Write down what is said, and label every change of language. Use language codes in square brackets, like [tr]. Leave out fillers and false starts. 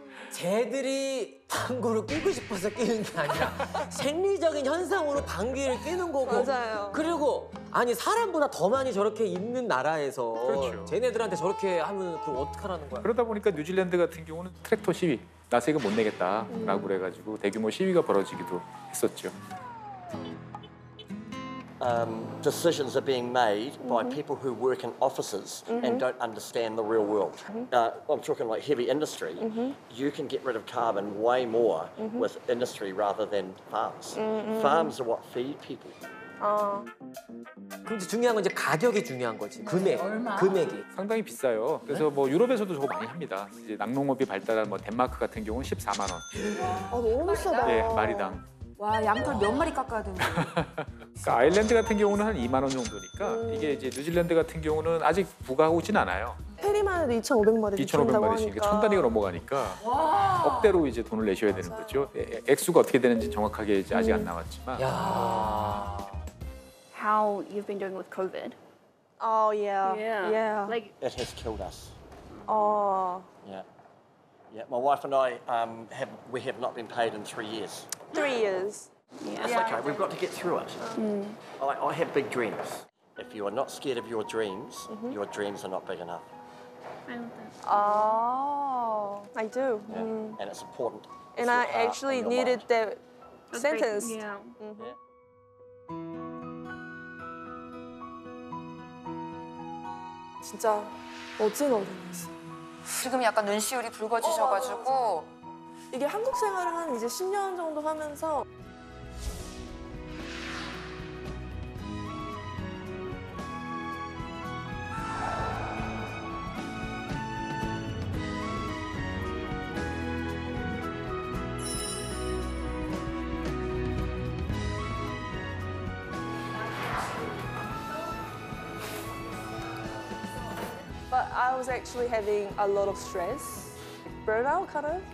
[ko] 쟤들이 방귀를 끼고 싶어서 끼는 게 아니라 생리적인 현상으로 방귀를 끼는 거고. 맞아요. 그리고 아니 사람보다 더 많이 저렇게 있는 나라에서 그렇죠. 쟤네들한테 저렇게 하면 그걸 어떡하라는 거야. 그러다 보니까 뉴질랜드 같은 경우는 트랙터 시위, 나 세금 못 내겠다라고 그래가지고 대규모 시위가 벌어지기도 했었죠. [en] Decisions are being made by people who work in offices and don't understand the real world. I'm talking like heavy industry. You can get rid of carbon way more with industry rather than farms. Farms are what feed people. [ko] 근데 중요한 건 이제 가격이 중요한 거지. 금액, 금액이 상당히 비싸요. 그래서 뭐 유럽에서도 저거 많이 합니다. 이제 낙농업이 발달한 뭐 덴마크 같은 경우는 14만 원. 너무 비싸다. 예, 마리당. 와, 양털 몇 마리 깎아야 되는 거야? 그러니까 아일랜드 같은 경우는 한 2만 원 정도니까 이게 이제 뉴질랜드 같은 경우는 아직 부과하고 있진 않아요. 페리만 해도 2,500마리 2,500마리씩 그러니까 천 단위가 넘어가니까 와. 억대로 이제 돈을 내셔야 되는 거죠. 액수가 어떻게 되는지 정확하게 이제 아직 안 나왔지만. 야. [en] How you've been doing with COVID? Oh yeah. Yeah. Like it has killed us. Oh. Yeah. My wife and I have not been paid in 3 years. Three years. That's okay. We've got to get through it. I have big dreams. If you are not scared of your dreams are not big enough. I do. Yeah. And it's important. And I actually needed that sentence. Yeah. Yeah. [ko] 진짜 멋진 어른이었어. 지금 약간 눈시울이 붉어지셔가지고. 이게 한국 생활을 한 이제 10년 정도 하면서 [en] But I was actually having a lot of stress. Burnout, kind of.